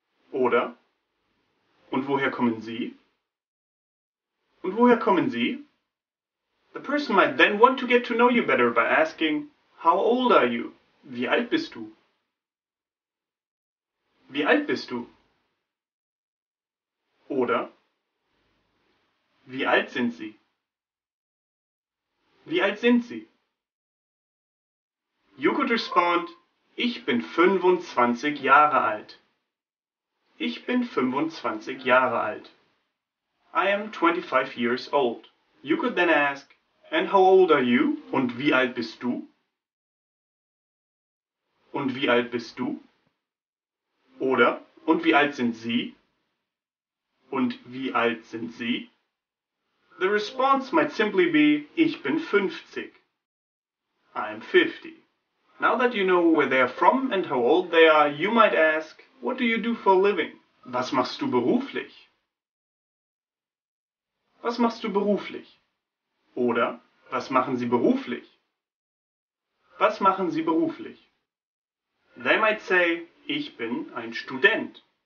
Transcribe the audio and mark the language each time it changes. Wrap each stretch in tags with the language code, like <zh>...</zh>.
<de>Oder, und woher kommen Sie? Und woher kommen Sie?</de> <en>The person might then want to get to know you better by asking, how old are you?</en> <de>Wie alt bist du? Wie alt bist du? Oder, wie alt sind Sie? Wie alt sind Sie?</de> <en>You could respond,</en> <de>ich bin 25 Jahre alt. Ich bin 25 Jahre alt.</de> <en>I am 25 years old. You could then ask, and how old are you?</en> <de>Und wie alt bist du? Und wie alt bist du? Oder, und wie alt sind Sie? Und wie alt sind Sie?</de> <en>The response might simply be,</en> <de>ich bin 50.</de> <en>I'm 50. Now that you know where they are from and how old they are, you might ask, what do you do for a living?</en> <de>Was machst du beruflich? Was machst du beruflich? Oder, was machen Sie beruflich? Was machen Sie beruflich?</de> <en>They might say,</en> <de>ich bin ein Student.</de>